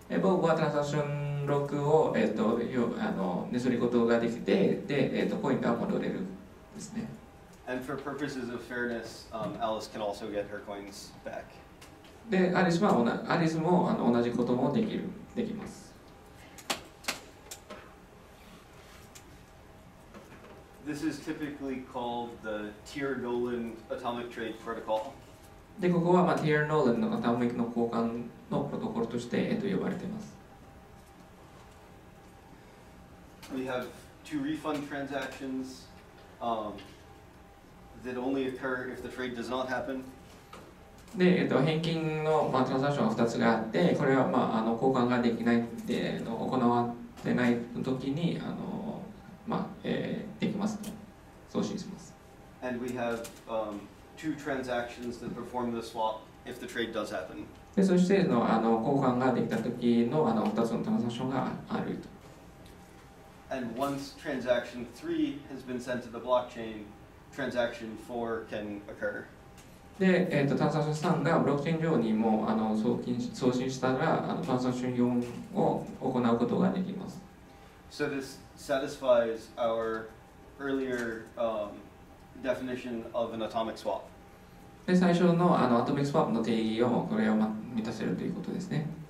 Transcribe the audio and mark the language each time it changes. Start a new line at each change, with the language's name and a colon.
Japanese: 僕はトランザクション6を、盗むことができて、で、ポイントは戻れるですね。
English: And for purposes of fairness, Alice can also get her coins back.
Japanese: で、アリスも、アリスも、同じこともできる、できます。
English: This is typically called the Tier-Nolan Atomic Trade Protocol.
Japanese: で、ここは、Tier-Nolan のアトミックの交換のプロトコルとして、呼ばれています。
English: We have two refund transactions, that only occur if the trade does not happen.
Japanese: で、返金の、トランザクションは2つがあって、これは、交換ができないで、行わってないときに、できますと送信します。
English: And we have, two transactions that perform the swap if the trade does happen.
Japanese: で、そして、交換ができたときの、2つのトランザクションがあると。
English: And once transaction 3 has been sent to the blockchain, transaction 4 can occur.
Japanese: で、トランザクション3がブロックチェーン上にも送信したら、トランザクション4を行うことができます。
English: So this satisfies our earlier, definition of an atomic swap.
Japanese: で、最初の、アトミックスワップの定義をこれを満たせるということですね。